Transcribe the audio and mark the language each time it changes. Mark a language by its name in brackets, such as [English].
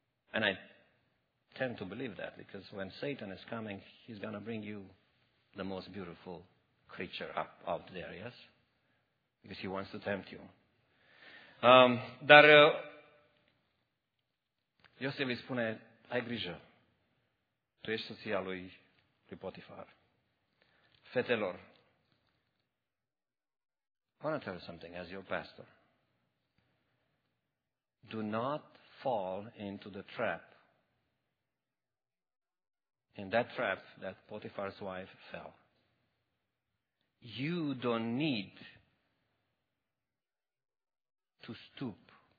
[English] And I tend to believe that, because when Satan is coming, he's going to bring you the most beautiful creature up out there, yes? Because he wants to tempt you. [Romanian] Dar Iosif îi spune, ai grijă, tu ești soția lui Potifar. Fetelor, [English] I want to tell you something as your pastor. Do not fall into the trap. In that trap that Potiphar's wife fell. You don't need to stoop.